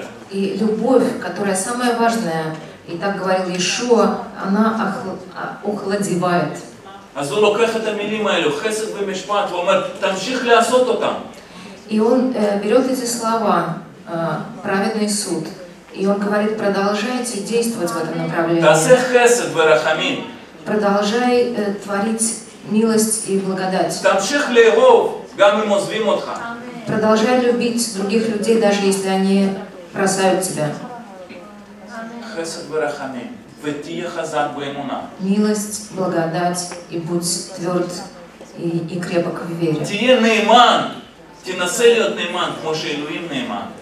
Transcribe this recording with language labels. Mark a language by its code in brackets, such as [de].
[ru] И любовь, которая самая важная, и так говорил Иешуа, она охладевает. [he] אז הוא לוקח את המילים האלו, חסד ומשפט, ואומר, תמשיך לעשות אותם. [ru] И он берет эти слова, праведный суд, и он говорит, продолжайте действовать в этом направлении. [he] תעשה חסד ורחמים. [ru] Продолжай творить милость и благодать. [he] תמשיך לאהוב, גם אם עוזבים אותך. [ru] Продолжай любить других людей, даже если они бросают тебя. [he] חסד ורחמים. ותהיה חזק באמונה. [ru] Милость, благодать и будь тверд и крепок в вере. Тие Нейман, ти населиот Нейман, може Елоим Нейман.